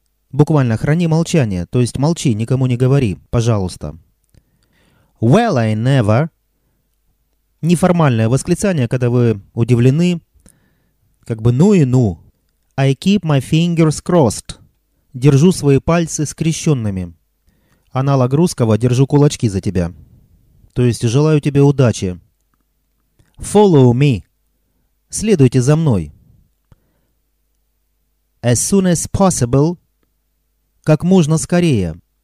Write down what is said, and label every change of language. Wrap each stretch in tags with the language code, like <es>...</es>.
<ru>Буквально, храни молчание, то есть молчи, никому не говори, пожалуйста.</ru> <en>Well, I never.</en> <ru>Неформальное восклицание, когда вы удивлены, как бы ну и ну.</ru> <en>I keep my fingers crossed.</en> <ru>Держу свои пальцы скрещенными. Аналог русского, держу кулачки за тебя. То есть желаю тебе удачи.</ru> <en>Follow me.</en> <ru>Следуйте за мной.</ru> <en>As soon as possible.</en> <ru>Как можно скорее.</ru>